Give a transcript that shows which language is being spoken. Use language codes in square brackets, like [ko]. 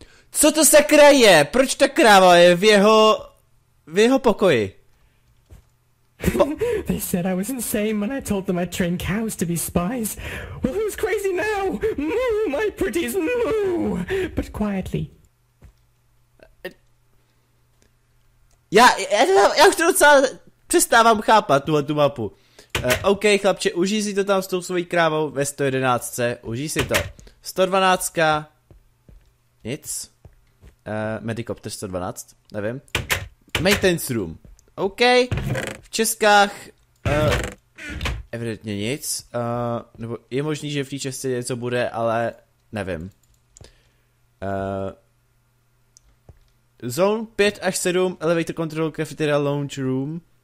[cs] Co to sakra je? Proč ta kráva je v jeho pokoji? [en] They said I was insane when I told them I trained cows to be spies. Well, who's crazy now? Moo, my pretties, moo! But quietly. [cs] Já už to docela přestávám chápat, tu mapu. OK, chlapče, užij si to tam s tou svojí krávou ve 111. Užij si to. 112. Nic. Medicopter 112. Nevím. [en] Maintenance room. [cs] OK. V Českách. Evidentně nic. Nebo je možný, že v té Česce něco bude, ale nevím. Zone 5 až 7. [en] Elevator control cafeteria lounge room.